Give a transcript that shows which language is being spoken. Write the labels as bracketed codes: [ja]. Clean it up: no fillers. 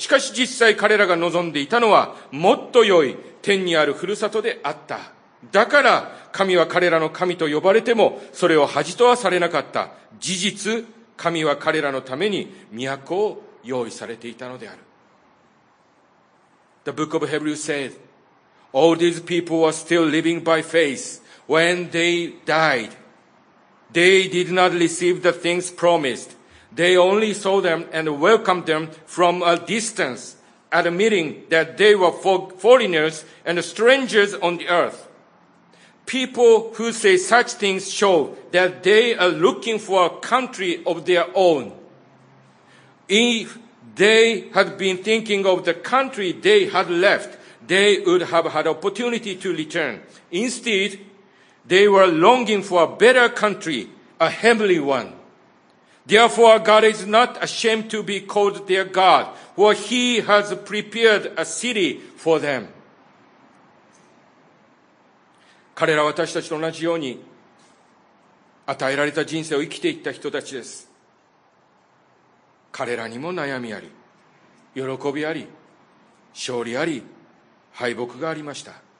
[ja] しかし実際彼らが望んでいたのは、もっと良い天にあるふるさとであった。だから神は彼らの神と呼ばれてもそれを恥じとはされなかった。事実神は彼らのために都を用意されていたのである。 [en] The book of Hebrews said All these people were still living by faith When they died They did not receive the things promised They only saw them and welcomed them from a distance Admitting that they were foreigners and strangers on the earthPeople who say such things show that they are looking for a country of their own. If they had been thinking of the country they had left, they would have had opportunity to return. Instead, they were longing for a better country, a heavenly one. Therefore, God is not ashamed to be called their God, for He has prepared a city for them. [ja] 彼らは私たちと同じように与えられた人生を生きていった人たちです。彼らにも悩みあり、喜びあり、勝利あり、敗北がありました。